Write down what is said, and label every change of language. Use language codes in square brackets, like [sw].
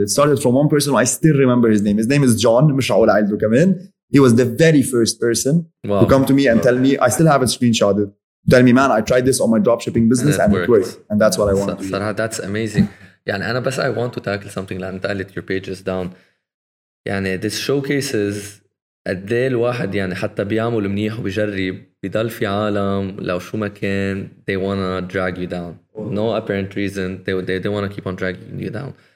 [en] It started from one person. I still remember his name. His name is John. He was the very first person to come to me and tell me, I still have it screenshotted. Tell me, man, I tried this on my dropshipping business and it worked. And that's what I want. That's amazing. Yeah, and I want to tackle something. Your page is down. [ar] يعني [en] this showcases [ar] قد ايه الواحد يعني حتى بيعمل منيح وبيجرب بيضل في عالم لو شو ما كان [en] they wanna drag you down. No apparent reason they wanna keep on dragging you down.